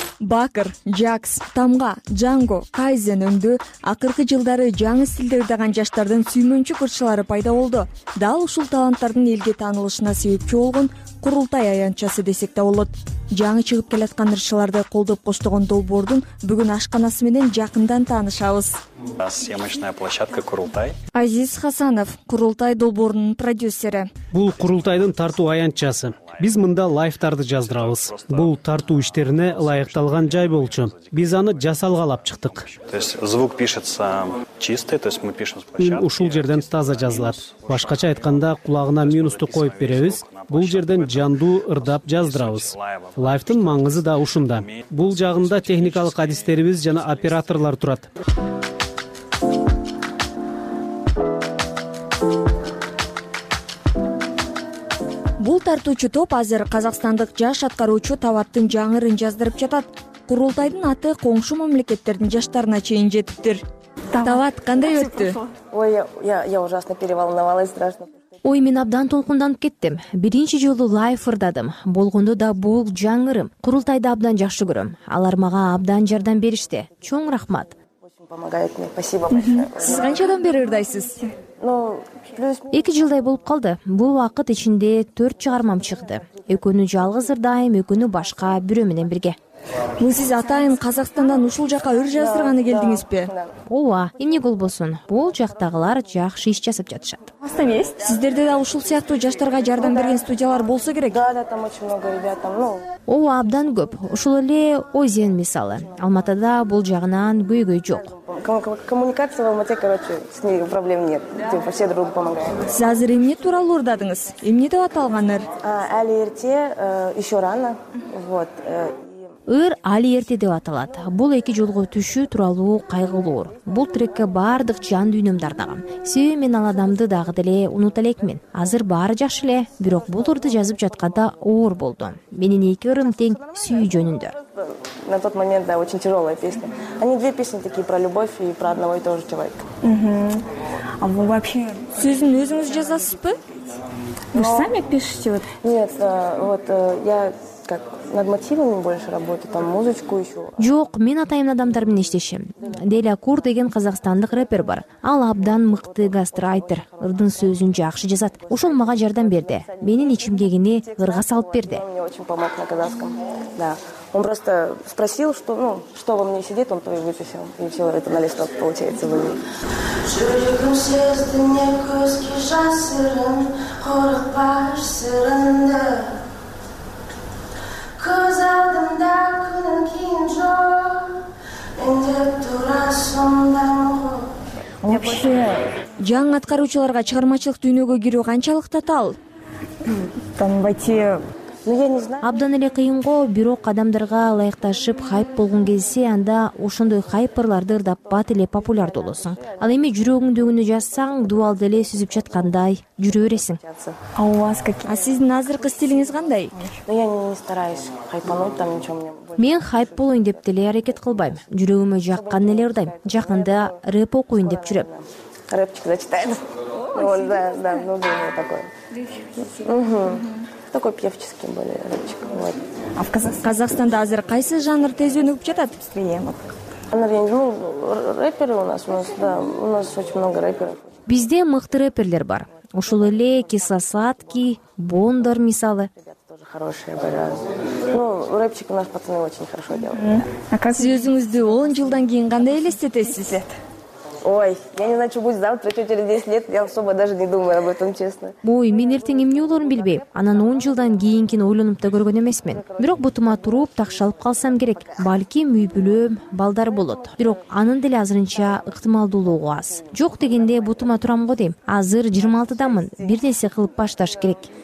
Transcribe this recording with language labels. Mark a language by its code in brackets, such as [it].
[ky] Бакыр, Жакс, Тамга, Джанго, Кайзен өңдүү акыркы жылдары жаңы стилдерди алган жаштардын сүймөнчүк ырчылары пайда болду. Дал ушул таланттардын элге таанылышына себепчи болгон курултай аянтчасы десек да болот. Жаңы чыгып келаткан ырчыларды колдоп коштогон долбоордун бүгүн ашканасы менен жакындан таанышабыз. [ru] Съемочная площадка курултай. [ky] Азиз Хасанов, курултай долбоорунун продюсери. Бул курултайдын тартуу аянтчасы. Биз мында лайфтарды жаздырабыз. Бул тартуу иштерине ылайыкталган жай болчу. Биз аны жасалгалап чыктык. [ru] То есть звук пишется чистый, то есть мы пишем с площадки. [ky] Ушул жерден таза жазылат. Башкача айтканда кулагына минусту коюп беребиз. Бул жерден жандуу ырдап жаздырабыз. Лайфтын маңызы да ушунда. Бул жагында техникалык адистерибиз жана операторлор турат. Бул тартуучу топ азыр казакстандык жаш аткаруучу Таваттын жаңырын жаздырып жатат. Курултайдын аты коңшу мамлекеттердин жаштарына чейин жетиптир. Тават, кандай өттү? [ru] Ой, я ужасно переволновалась, страшно. [ky] Ой, мен абдан толкунданып кеттим. Биринчи жолу лайф ырдадым. Болгондо да бул жаңырым. Курултайды абдан жакшы көрөм. Алар мага абдан жардам беришти. Чоң рахмат. [ru] Помогает мне. Спасибо большое. [ky] Сиз канча адам бери ырдайсыз? [ru] Ну, [ky] 2 жылдай болуп калды. Бул вакыт ичинде 4 чыгармам чыкты. Экөөнү жалгыз ырдайм, экөөнү башка бирөө менен бирге. Бул сиз атайын Казакстандан ушул жака ыр жаздырганы келдиңизби? Ооба, эмне болбосун. Бул жактагылар жакшы иш жасап жатышат. Сиздерде да ушул сыяктуу жаштарга жардам берген студиялар болсо керек. [ru] Да, там очень много ребят там. [ky] Ооба, абдан көп. Ушул эле Озен мисалы. Алматыда бул жагынан көйгөй жок. [ru] Коммуникация в Алмате, короче, с ней проблем нет. Типа все друг помогают. [ky] Сиз азыр эмне тууралуу ырдадыңыз? Эмне деп аталган ыр? Али эрте, [ru] еще рано. Вот. [ky] Ыр али эрте деп аталат. Бул 2 жолго түшүү тууралуу кайгылуу ыр. Бул трекке баардык жан дүйнөмдү арнагам. Себеби мен ал адамды дагы деле унута элекмин. Азыр баары жакшы эле, бирок бул ырды жазып жатканда оор болду. Менин 2 ырым тең сүйүү жөнүндө. [ru] На тот момент, да, очень тяжелая песня. Они две песни такие про любовь и про одного и того же человека. А вы вообще... Сюзин, вы из-за меня заспы? Вы же сами пишете? Вот. Нет, вот я как над мотивами больше работаю, там музычку еще. [ky] Жок, мен атайын адамдар менен иштешем. Деля Кур деген казахстандык рэпер бар. Ал абдан мыкты гастрайтер. Ырдын сөзүн жакшы жазат. Ошол мага жардам берди. Менин ичимдегини ырга салып берди. [ru] Мне очень помог на казахском, да. Он просто спросил, что, ну, что во мне сидит, он то и выписал. И все это на листок, получается, вывел. [kk] Жүрегім сезді не көзге жасырын, қорықпаш сырынды. Көз алдымда күнін кейін жоқ, менде тұрасымдан қоқ. [ky] Вообще, жаң атқаручыларға чығармашылық дүйнөгө кирүү канчалык татаал? Там байти... [ru] Ну, я не знаю. [ky] Абдан эле кыйынго, бирок адамдарга ылайыкташып хайп болгон келсе, анда ошондой хайперларды ырдап бат эле популярдуу болосуң. Ал эми жүрөгүңдөгүнү жазсаң, дубалды эле сүзүп жаткандай жүрө бересиң. [ru] А у вас какие? [ky] А сиздин азыркы стилиңиз кандай? [ru] Ну, я не стараюсь хайпануть, там ничего мне больше. [ky] Мен хайп болоюн деп деле аракет кылбайм. Жүрөгүмө жаккан эле ырдайм. Жакында рэп окуюн деп жүрөм. [ru] Рэпчик зачитайын. Вот, да, ну, думаю, такой. Угу. Такой певческий более рэпчик. Вот. [ky] А в Казахстанда азыр кайсы жанр тез өнүгүп жатат? [ru] Ну, рэперы у нас, да, у нас очень много рэперов. [ky] Бизде мыкты рэперлер бар. Ушул эле Кисла Сладкий, Бондар мисалы. [ru] Хорошие были. Ну, рэпчик у нас пацаны очень хорошо делают. А как [ky] сиз өзүңүздү 10 жылдан кийин кандай элестетесиз? [ru] Ой, я не знаю, что будет завтра, что через 10 лет, я особо даже не думаю об этом, честно. [ky] Бой, мен эртең эмне болорун билбейм. Анан 10 жылдан кийинкин ойлонуп да көргөн эмесмин. Бирок бутума туруп, такшалып калсам керек. Балким үй бүлөм, балдар болот. Бирок анын деле азырынча ыктымалдуулугу аз. Жок дегенде бутума турам го дейм. Азыр 26-дамын, бир нерсе кылып башташ керек.